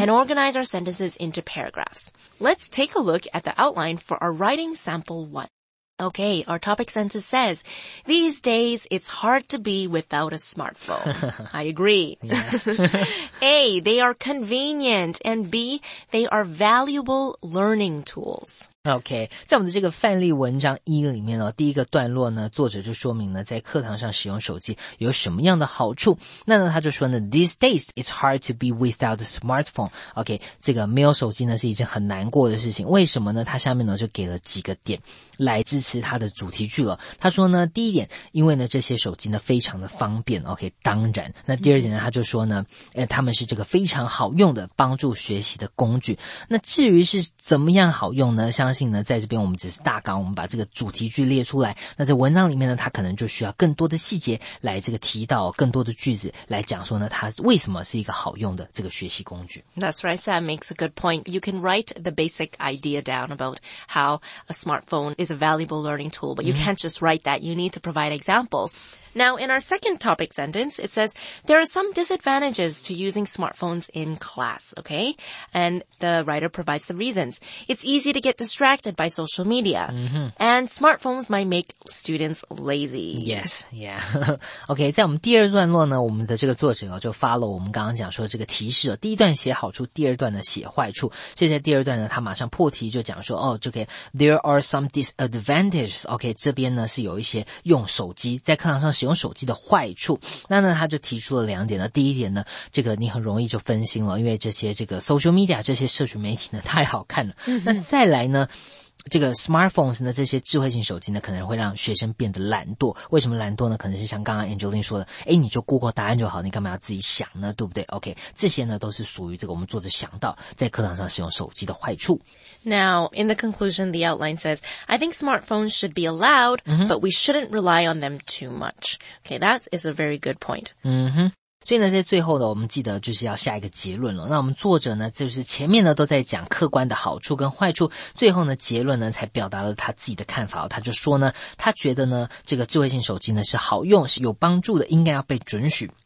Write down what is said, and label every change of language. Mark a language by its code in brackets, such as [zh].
[en] and organize our sentences into paragraphs. Let's take a look at the outline for our writing sample one. Okay, our topic sentence says, these days, it's hard to be without a smartphone. I agree. Yeah. A, they are convenient, and B, they are valuable learning tools. [zh] Okay, 在我们的这个范例文章一里面呢，第一个段落呢，作者就说明呢，在课堂上使用手机有什么样的好处。那呢，他就说呢 [en] ，these days it's hard to be without a smartphone. [zh] Okay, 这个没有手机呢是一件很难过的事情。为什么呢？他下面呢就给了几个点来支持他的主题句了。他说呢，第一点，因为呢这些手机呢非常的方便。 Okay, 当然。那第二点呢，他就说呢，他们是这个非常好用的帮助学习的工具。那至于是怎么样好用呢？相信呢在这边我们只是大纲，我们把这个主题句列出来，那在文章里面呢，他可能就需要更多的细节来这个提到，更多的句子来讲说呢，它为什么是一个好用的这个学习工具。 [en] That's right, Sam makes a good point. You can write the basic idea down about how a smartphone is a valuable learning tool, but you can't just write that. You need to provide examplesNow, in our second topic sentence, it says, there are some disadvantages to using smartphones in class, okay? And the writer provides the reasons. It's easy to get distracted by social media. Mm-hmm. And smartphones might make students lazy. Yes, yeah. [zh] Okay, 在我们第二段落呢，我们的这个作者呢，就 follow 我们刚刚讲说这个提示了。第一段写好处，第二段呢写坏处。所以在第二段呢，他马上破题就讲说，哦，就可以 [en] there are some disadvantages. [zh] Okay, 这边呢是有一些用手机在课堂上使用手机的坏处。那呢他就提出了两点呢，第一点呢，这个你很容易就分心了，因为这些这个 social media 这些社群媒体呢太好看了。那再来呢，这个 smartphones 呢，这些智慧型手机呢，可能会让学生变得懒惰。为什么懒惰呢？可能是像刚刚 Angeline 说的，诶，你就 Google 答案就好，你干嘛要自己想呢？对不对？ OK, 这些呢都是属于这个我们作者想到在课堂上使用手机的坏处。 [en] Now, in the conclusion, the outline says, I think smartphones should be allowed, but we shouldn't rely on them too much. Okay, that is a very good point. 嗯哼。 [zh] 所以呢，在最后呢，我们记得就是要下一个结论了。那我们作者呢，就是前面呢都在讲客观的好处跟坏处，最后呢结论呢才表达了他自己的看法。他就说呢，他觉得呢这个智慧型手机呢是好用，是有帮助的，应该要被准许。